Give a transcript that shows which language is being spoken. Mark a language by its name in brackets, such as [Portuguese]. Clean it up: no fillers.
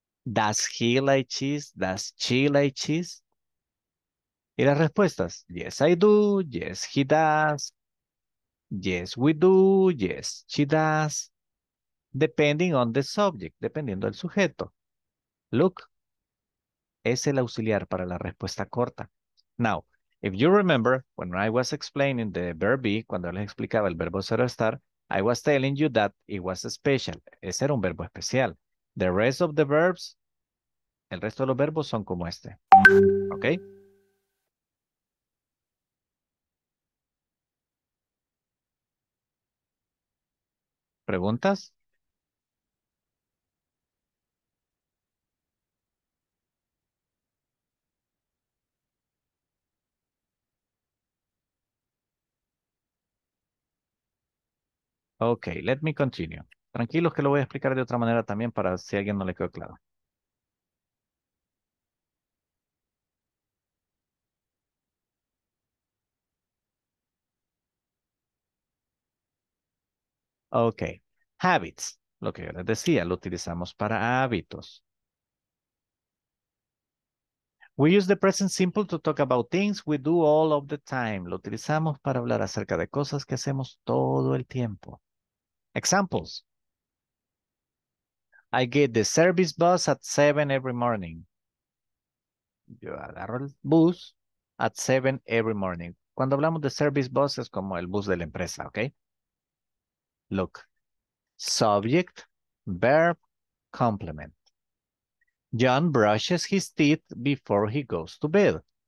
[English] Does he like cheese? Does she like cheese? [Spanish] Y las respuestas, [English] yes, I do, yes, he does, yes, we do, yes, she does, depending on the subject, [Spanish] dependiendo del sujeto. Look, es el auxiliar para la respuesta corta. [English] Now, if you remember, when I was explaining the verb be, [Spanish] cuando les explicaba el verbo ser o estar, [English] I was telling you that it was special. [Spanish] Ese era un verbo especial. [English] The rest of the verbs, [Spanish] el resto de los verbos son como este. ¿Ok? ¿Preguntas? [English] Ok, let me continue. [Spanish] Tranquilos que lo voy a explicar de otra manera también para si a alguien no le quedó claro. Ok, habits, lo que yo les decía, lo utilizamos para hábitos. [English] We use the present simple to talk about things we do all of the time. [Spanish] Lo utilizamos para hablar acerca de cosas que hacemos todo el tiempo. Examples. [English] I get the service bus at 7 every morning. [Spanish] Yo agarro el bus [English] at 7 every morning. [Spanish] Cuando hablamos de service bus es como el bus de la empresa, ¿ok? Look. [English] Subject, verb, complement. John brushes his teeth before he goes to bed.